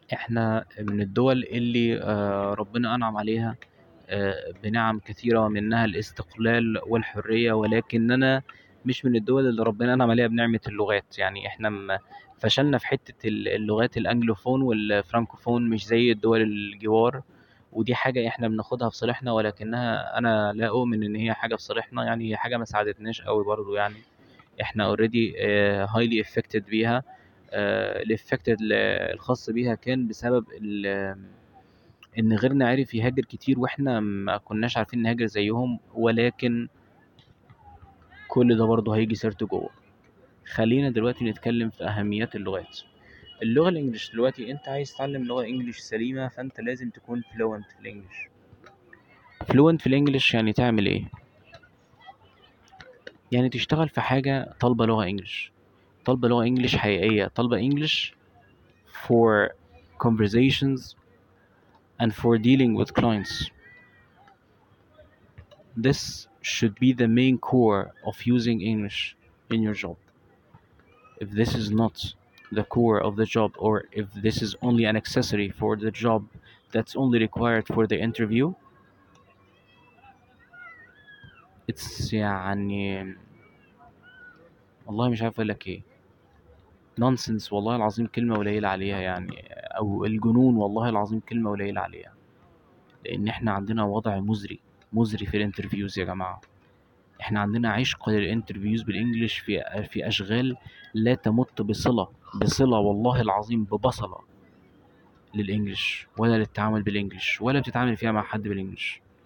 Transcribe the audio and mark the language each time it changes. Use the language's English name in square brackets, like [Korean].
[Arabic] احنا من الدول اللي ربنا انعم عليها بنعم كثيرة، منها الاستقلال والحرية، ولكننا مش من الدول اللي ربنا انعم عليها بنعمة اللغات يعني. احنا فشلنا في حتة اللغات الانجلوفون والفرانكوفون، مش زي الدول الجوار، ودي حاجة احنا بناخدها في صالحنا، ولكنها انا لا اؤمن ان هي حاجة في صالحنا يعني، هي حاجة ما ساعدتناش قوي برضو يعني. احنا [English] already highly affected [Arabic] بيها. الaffected الخاص بيها كان بسبب ان غيرنا عارف يهاجر كتير، واحنا ما كناش عارفين نهاجر زيهم، ولكن كل ده برضو هيجي سيرته جوه. خلينا دلوقتي نتكلم في اهميات اللغات. اللغة الانجليش دلوقتي انت عايز تتعلم لغة انجليش سليمة، فانت لازم تكون فلوينت في الانجليش. فلوينت في الانجليش يعني تعمل ايه؟ يعني تشتغل في حاجة طلبة لغة انجليش، طلبة لغة انجليش حقيقية، طلبة انجليش [English] for conversations and for dealing with clients. This should be the main core of using English in your job. If this is not the core of the job, or if this is only an accessory for the job that's only required for the interview, it's [Arabic] يعني والله مش عارف لك ايه، [English] nonsense [Arabic] والله العظيم كلمة قليلة عليها [English] يعني، او الجنون والله العظيم كلمة قليلة عليها. [Arabic] لان احنا عندنا وضع مزري مزري في الانترفيوز يا جماعة. احنا عندنا عشق للانترفيوز بالانجليش في اشغال لا تمت بصلة والله العظيم ببصلة للانجليش، ولا للتعامل بالانجليش، ولا بتتعامل فيها مع حد بالانجليش.